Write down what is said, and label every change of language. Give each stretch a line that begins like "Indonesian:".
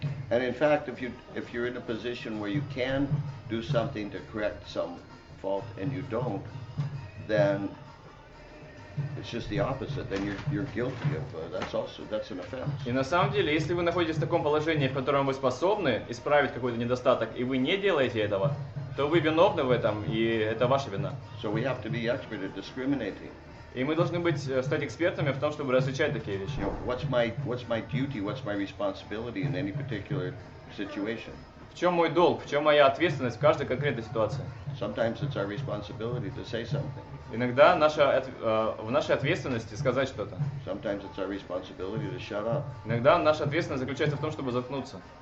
English: And in fact, if you're in a position where you can do something to correct some fault and you don't, then it's just the opposite. Then you're guilty of that's an offense.
Russian: И на самом деле, если вы находитесь в таком положении, в котором вы способны исправить какой-то недостаток, и вы не делаете этого, то вы виновны в этом, и это ваша вина.
English: So we have to be expert at discriminating.
Russian: И мы должны стать экспертами в том, чтобы различать такие вещи.
English: You know, what's my duty, what's my responsibility in any particular situation?
Russian: В чем мой долг, в чем моя ответственность в каждой конкретной ситуации?
English: Sometimes it's our responsibility to say something.
Russian: Иногда в нашей ответственности сказать что-то.
English: Sometimes it's our responsibility to shut up.
Russian: Иногда наша ответственность заключается в том, чтобы заткнуться.